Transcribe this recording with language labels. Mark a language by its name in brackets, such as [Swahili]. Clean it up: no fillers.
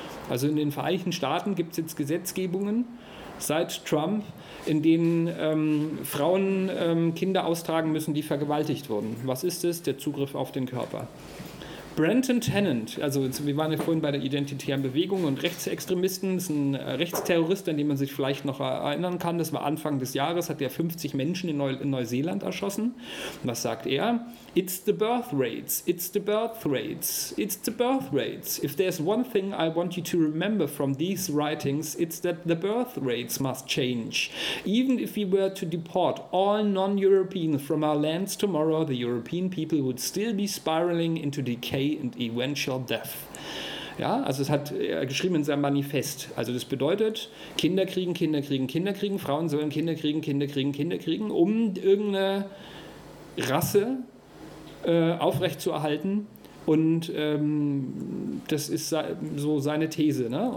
[German] Also in den Vereinigten Staaten gibt es jetzt Gesetzgebungen seit Trump, in denen Frauen Kinder austragen müssen, die vergewaltigt wurden. Was ist es? Der Zugriff auf den Körper. Brenton Tennant, also wir waren ja vorhin bei der Identitären Bewegung und Rechtsextremisten, ist ein Rechtsterrorist, an den man sich vielleicht noch erinnern kann. Das war Anfang des Jahres, hat er 50 Menschen in Neuseeland erschossen. Was sagt er? [English] It's the birth rates, it's the birth rates, it's the birth rates. If there's one thing I want you to remember from these writings, it's that the birth rates must change. Even if we were to deport all non-Europeans from our lands tomorrow, the European people would still be spiraling into decay and eventual death. [German] Ja, also es hat er geschrieben in seinem Manifest. Also das bedeutet, Kinder kriegen, Kinder kriegen, Kinder kriegen, Frauen sollen Kinder kriegen, Kinder kriegen, Kinder kriegen, um irgendeine Rasse aufrechtzuerhalten, und das ist so seine These, ne?